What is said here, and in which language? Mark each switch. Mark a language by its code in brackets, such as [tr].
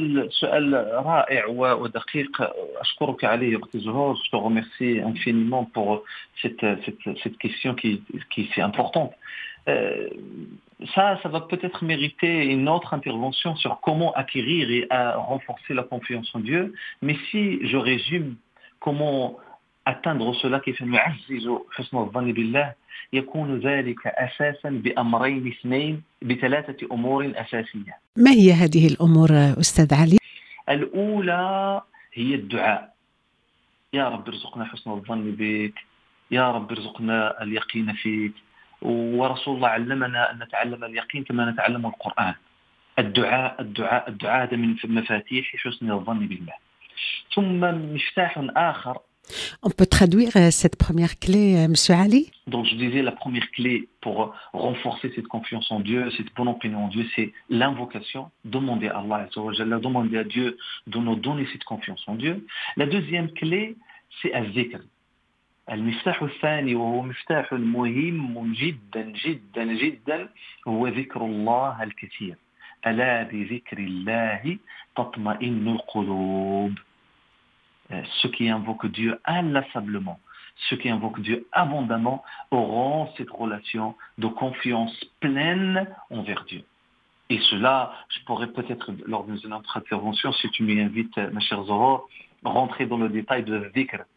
[ar] سؤال رائع ودقيق، أشكرك عليه أختي زهور. [fr] Je te remercie infiniment pour cette question qui est importante. Ça va peut-être mériter une autre intervention sur comment acquérir et à renforcer la confiance en Dieu. Mais si je résume comment atteindre cela qui fait nous [ar] حسن الظن بالله يكون ذلك أساسا بأمرين اثنين بثلاثة أمور أساسية. ما هي هذه الأمور أستاذ علي؟ الأولى هي الدعاء. يا رب ارزقنا حسن الظن بك، يا رب ارزقنا اليقين فيك. ورسول الله علمنا أن نتعلم اليقين كما نتعلم القرآن. الدعاء الدعاء الدعاء هذا من مفاتيح حسن الظن بالله. ثم مفتاح آخر. [fr] On peut traduire cette première clé, Monsieur Ali? Donc je disais la première clé pour renforcer cette confiance en Dieu, cette bonne opinion en Dieu, c'est l'invocation, demander à Allah, Azzawajalla, demander à Dieu de nous donner cette confiance en Dieu. La deuxième clé, c'est al-zikr. [ar] المفتاح الثاني وهو مفتاح مهم جدا جدا جدا هو ذكر الله الكثير. ألا بذكر الله تطمئن القلوب. [fr] Ceux qui invoquent Dieu inlassablement, ceux qui invoquent Dieu abondamment auront cette relation de confiance pleine envers Dieu. Et cela, je pourrais peut-être, lors d'une autre intervention, si tu m'y invites, ma chère Zoro, rentrer dans le détail de dhikr.